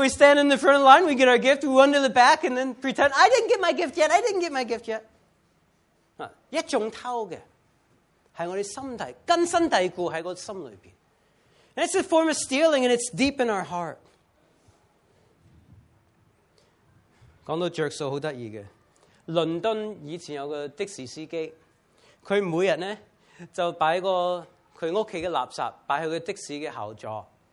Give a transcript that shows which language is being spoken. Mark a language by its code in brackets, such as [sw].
[en] we stand in the front of the line, we get our gift, we run to the back, and then pretend, I didn't get my gift yet. [yue] 一種偷的,是我們心底,根深蒂固在心裡面. [en] That's a form of stealing, and it's deep in our heart. [yue] 講到著數好得意嘅，倫敦以前有個的士司機，佢每日咧就擺個佢屋企嘅垃圾擺喺佢的士嘅後座。